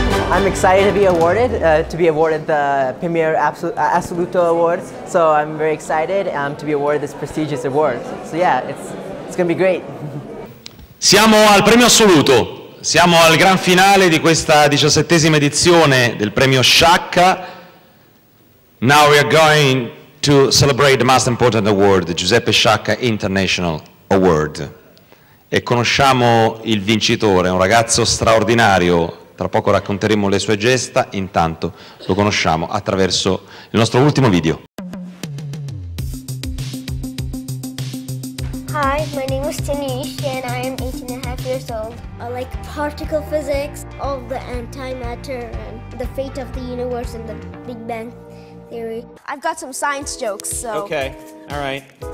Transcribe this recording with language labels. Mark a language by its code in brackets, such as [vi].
[en] I'm excited to be awarded the Premio Assoluto Award. So I'm very excited to be awarded this prestigious award. So yeah, it's going to be great. [it] Siamo al Premio Assoluto. Siamo al gran finale di questa 17ª edizione del Premio Sciacca. [en] Now we are going to celebrate the most important award, the Giuseppe Sciacca International Award. [it] E conosciamo il vincitore, un ragazzo straordinario. Tra poco racconteremo le sue gesta, intanto lo conosciamo attraverso il nostro ultimo video. [en] Hi, my name is Tanishq and I am 18 and a half years old. I like particle physics, all the antimatter and the fate of the universe and the Big Bang theory. I've got some science jokes, so. Okay, all right.